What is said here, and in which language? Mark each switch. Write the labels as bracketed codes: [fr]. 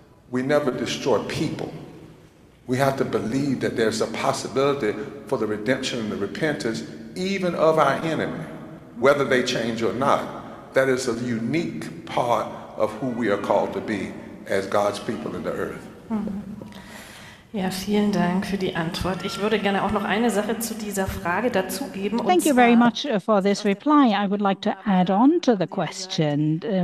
[en] We never destroy people. We have to believe that there's a possibility for the redemption and the repentance, even of our enemy, whether they change or not. That is a unique part of who we are called to be as God's people in the earth. [de] Ja, vielen Dank für die Antwort. Ich würde gerne auch noch eine Sache zu dieser Frage dazugeben. [en] Thank you very much for this reply. I would like to add on to the question.